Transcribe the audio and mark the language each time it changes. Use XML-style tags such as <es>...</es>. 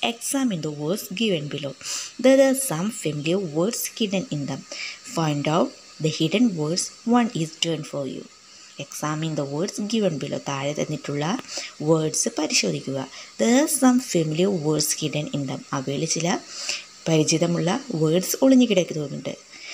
<en>Examine the words given below. There are some familiar words hidden in them. Find out the hidden words. One is turned for you. Examine the words given below.</en> <ml>താഴെ തന്നിട്ടുള്ള words പരിശോധിക്കുക.</ml> <en>There are some familiar words hidden in them.</en> <ml>അവയിൽ ചില പരിചിതമുള്ള words ഒളിഞ്ഞുകിടക്കുന്നുണ്ട്.</ml>